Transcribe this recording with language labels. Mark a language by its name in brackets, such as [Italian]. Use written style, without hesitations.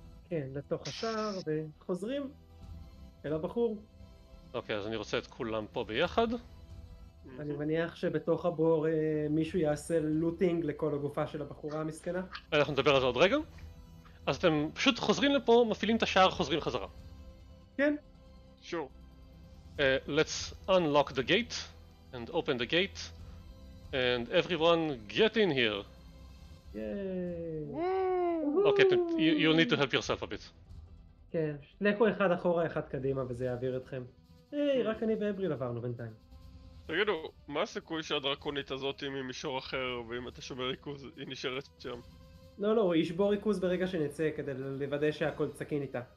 [Hebrew] כן, לתוך השער וחוזרים אל הבחור. אוקיי, אז אני רוצה את כולם פה ביחד. אני מניח שבתוך הבור מישהו יעשה לוטינג לכל הגופה של הבחורה המסכנה. אנחנו נדבר על זה עוד רגע. אז אתם פשוט חוזרים לפה, מפעילים את השער, חוזרים חזרה. כן. [English] Sure. Let's unlock the gate and open the gate. And everyone get in here. Yay. Okay, you need to help yourself a bit. [Hebrew] כן, לכו אחד אחורה, אחד קדימה, וזה יעביר אתכם. היי, רק אני ואבריל עברנו בינתיים. תגידו, מה הסיכוי שהדרקונית הזאת היא ממישור אחר, ואם אתה שומר ריכוז, היא נשארת שם? לא, לא, הוא ישבור ריכוז ברגע שנצא, כדי לוודא שהכל צקין איתה.